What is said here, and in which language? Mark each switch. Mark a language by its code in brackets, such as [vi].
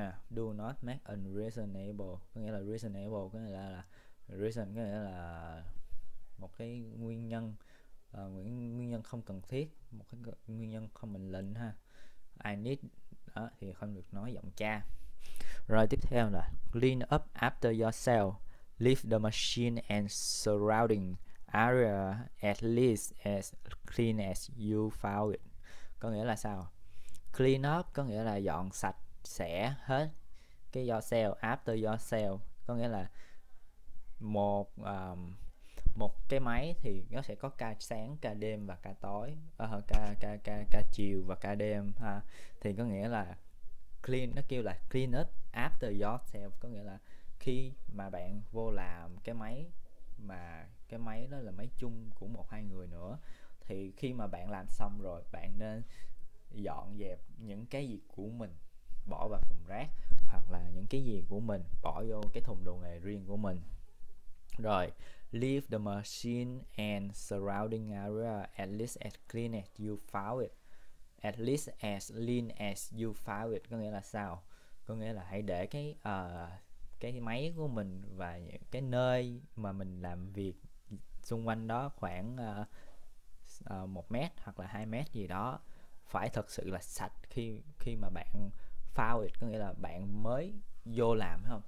[en] Do not make unreasonable, [vi] có nghĩa là reasonable, có nghĩa là reason, có nghĩa là một cái nguyên nhân, nguyên nhân không cần thiết, một cái nguyên nhân không mệnh lệnh ha. [en] I need [vi] đó thì không được nói giọng cha. Rồi tiếp theo là [en] clean up after yourself, leave the machine and surrounding area at least as clean as you found it. [vi] Có nghĩa là sao? [en] Clean up [vi] có nghĩa là dọn sạch sẽ hết cái yourself, [en] after yourself [vi] có nghĩa là một một cái máy thì nó sẽ có ca sáng, ca đêm và ca tối, ca ca ca ca chiều và ca đêm ha. Thì có nghĩa là clean, nó kêu là [en] clean up after yourself, [vi] có nghĩa là khi mà bạn vô làm cái máy, mà cái máy đó là máy chung của một hai người nữa, thì khi mà bạn làm xong rồi bạn nên dọn dẹp những cái gì của mình bỏ vào thùng rác, hoặc là những cái gì của mình bỏ vô cái thùng đồ nghề riêng của mình. Rồi, [en] leave the machine and surrounding area at least as clean as you found it. At least as lean as you found it, [vi] có nghĩa là sao? Có nghĩa là hãy để cái máy của mình và cái nơi mà mình làm việc xung quanh đó khoảng 1 mét hoặc là 2 mét gì đó phải thật sự là sạch khi khi mà bạn [en] found it, [vi] có nghĩa là bạn mới vô làm, phải không?